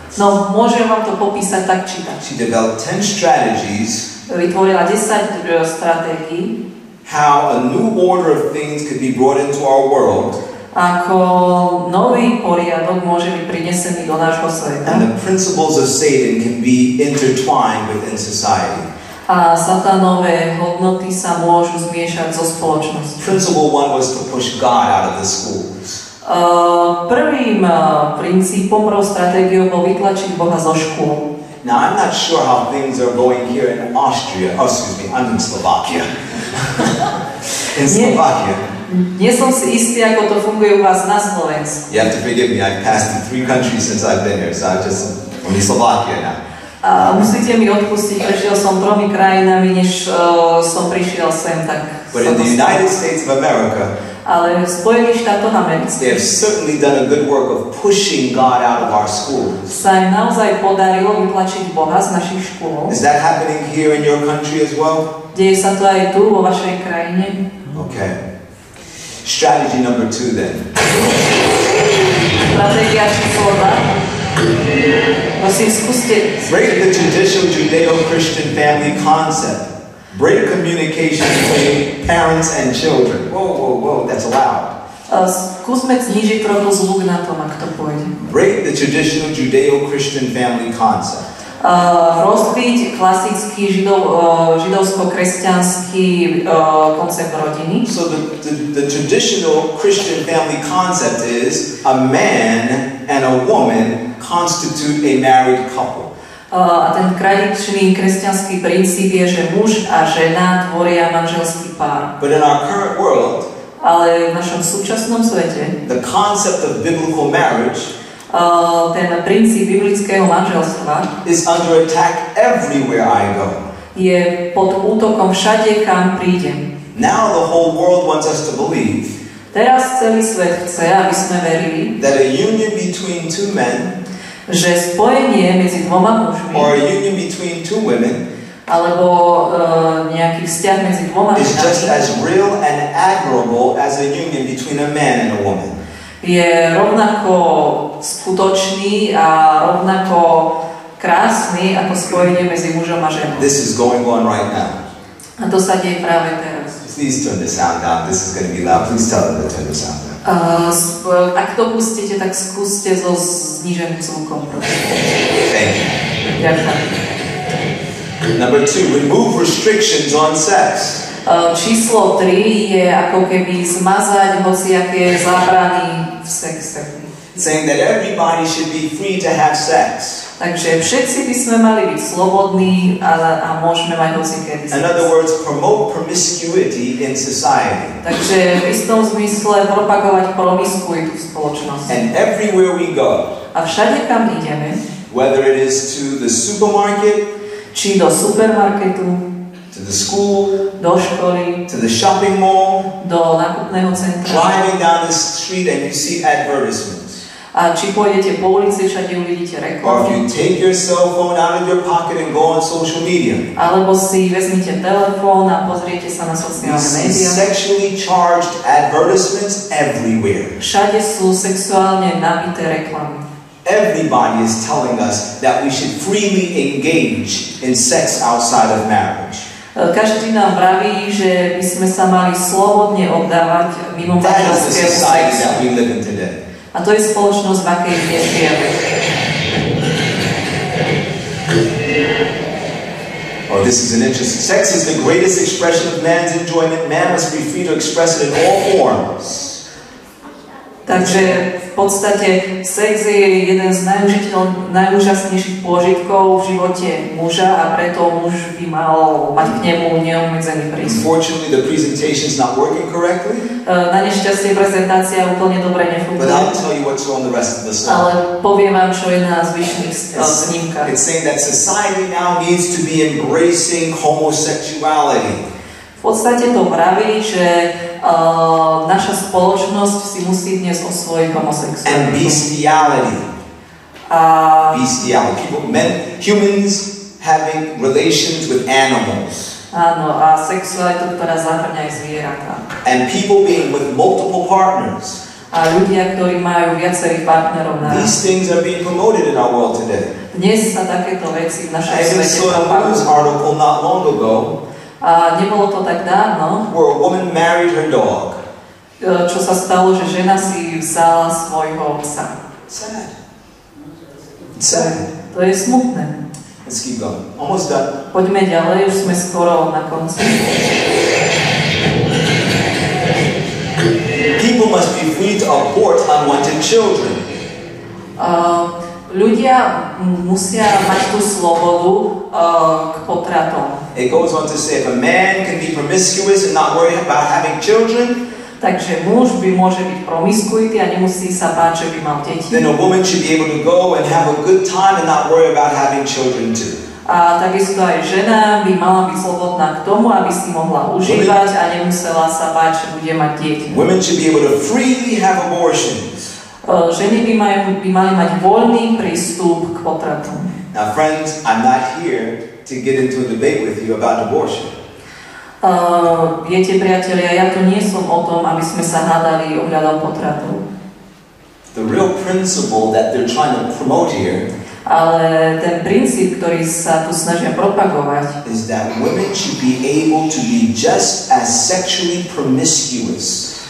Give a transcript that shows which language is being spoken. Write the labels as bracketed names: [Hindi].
[Slovak] No, môžem vám to popísať tak, či tak. [English] She developed 10 strategies. [Slovak] Vytvorila 10 stratégií. [English] How a new order of things could be brought into our world. [Slovak] Ako nový poriadok môže byť prinesený do nášho sveta. [English] And the principles of Satan can be intertwined within society. [Slovak] A satanové hodnoty sa môžu zmiešať so spoločnosťou. [English] Principle one was to push God out of the schools. [Slovak] Prvým princípom, prvou stratégiou bol vytlačiť Boha zo škôl. [English] Now I'm not sure how things are going here in Austria. Oh, excuse me, I'm in Slovakia. In Slovakia. [Slovak] Nie som si istý, ako to funguje u vás na Slovensku. [English] You have to forgive me, I've passed through 3 countries since I've been here, so I'm just from Slovakia now. [Slovak] Musíte mi odpustiť, prešiel som tromi krajinami, než som prišiel sem, tak... [English] But in the United States of America, [Slovak] ale v Spojených štátoch Amerických, [English] they have certainly done a good work of pushing God out of our schools. [Slovak] Sa im naozaj podarilo vytlačiť Boha z našich škôl. [English] Is that happening here in your country as well? [Slovak] Deje sa to aj tu, vo vašej krajine. [English] Okay. Strategy number 2 then. [Slovak] Strategia číslo 2. Musím skúsiť. [English] Break the traditional Judeo-Christian family concept. Break communication between parents and children. Whoa, whoa, whoa, that's loud. [Slovak] Skúsme znižiť trochu zvuk na tom, ak to pôjde. [English] Break the traditional Judeo-Christian family concept. [Slovak] Rozbiť klasický židovsko-kresťanský koncept rodiny. [English] So the traditional Christian family concept is a man and a woman constitute a married couple. [Slovak] A ten tradičný kresťanský princíp je, že muž a žena tvoria manželský pár. [English] But in our current world, [Slovak] ale v našom súčasnom svete, [English] the concept of biblical marriage, [Slovak] ten princíp biblického manželstva [English] is under attack everywhere I go. [Slovak] Je pod útokom všade, kam prídem. [English] Now the whole world wants us to believe. [Slovak] Teraz celý svet chce, aby sme verili, [English] that a union between two men, [Slovak] že spojenie medzi dvoma mužmi, [English] or a union between two women, [Slovak] alebo nejaký vzťah medzi dvoma mužmi, [English] is just as real and admirable as a union between a man and a woman. [Slovak] Je rovnako skutočný a rovnako krásny ako spojenie medzi mužom a ženou. [English] This is going on right now. [Slovak] A to sa deje práve teraz. [English] Please turn the sound down. This is going to be loud. Please tell them to turn the sound down. [Slovak] Ak to pustíte, tak skúste so zniženým zvukom. [English] Thank you. [Slovak] Ďakujem. [English] Number 2. Remove restrictions on sex. [Slovak] Číslo 3 je ako keby zmazať hocijaké zábrany v sexe. [English] Saying that everybody should be free to have sex. [Slovak] Takže všetci by sme mali byť slobodní a môžeme mať hocikedy sex. [English] In other words, promote promiscuity in society. [Slovak] Takže v istom zmysle propagovať promiskuitu v spoločnosti. [English] And everywhere we go. [Slovak] A všade, kam ideme. [English] Whether it is to the supermarket. [Slovak] Či do supermarketu. [English] To the school, [Slovak] do školy, [English] to the shopping mall, [Slovak] do nákupného centra, [English] driving down the street and you see advertisements. [Slovak] A či pôjdete po ulici, všade uvidíte reklamy. [English] Or if you take your cell phone out of your pocket and go on social media. [Slovak] Alebo si vezmite telefón a pozriete sa na sociálne médiá. [English] Sexually charged advertisements everywhere. [Slovak] Všade sú sexuálne nabité reklamy. [English] Everybody is telling us that we should freely engage in sex outside of marriage. [Slovak] Každý nám praví, že by sme sa mali slobodne oddávať mimo manželského sexu. A to je spoločnosť, v akej dnes žijeme. [English] Oh, this is an interesting. Sex is the greatest expression of man's enjoyment. Man must be free to express it in all forms. [Slovak] Takže v podstate sex je jeden z najúžasnejších pôžitkov v živote muža a preto muž by mal mať k nemu neobmedzený prístup. [English] Unfortunately, the presentation is not working correctly. [Slovak] Na nešťastie prezentácia úplne dobre nefunguje. [English] But I'll tell you what's on the rest of the slide. [Slovak] Ale poviem vám, čo je na zvyšných snímkach. [English] It's saying that society now needs to be embracing homosexuality. [Slovak] V podstate to praví, že naša spoločnosť si musí dnes osvojiť homosexuálnu. [English] And bestiality. Bestiality. People, men, humans having relations with animals. [Slovak] Áno, a sexualitu, ktorá zahŕňa aj zvieratá. [English] And people being with multiple partners. [Slovak] A ľudia, ktorí majú viacerých partnerov na. [English] These things are being promoted in our world today. [Slovak] Dnes sa takéto veci v našej svete propagujú. [English] I saw a news article not long ago. [Slovak] A nebolo to tak dávno. [English] Where a woman married her dog. [Slovak] Čo sa stalo, že žena si vzala svojho psa. [English] Sad. Sad. [Slovak] To je smutné. [English] Let's keep going. Almost done. [Slovak] Poďme ďalej, už sme skoro na konci. [English] People must be free to abort unwanted children. [Slovak] Ľudia musia mať tú slobodu k potratom. [English] It goes on to say, if a man can be promiscuous and not worry about having children, [Slovak] takže muž by môže byť promiskuitý a nemusí sa báť, že by mal deti. [English] Then a woman should be able to go and have a good time and not worry about having children too. [Slovak] A takisto aj žena by mala byť slobodná k tomu, aby si mohla užívať a nemusela sa báť, že bude mať deti. [English] Women should be able to freely have abortions. [Slovak] Ženy by mali mať voľný prístup k potratom. [English] Now friends, I'm not here to get into a debate with you about abortion. [Slovak] Viete, priatelia, ja tu nie som o tom, aby sme sa hádali ohľadom potratu. [English] The real principle that they're trying to promote here, [Slovak] ale ten princíp, ktorý sa tu snažia propagovať, [English] is that women should be able to be just as sexually promiscuous.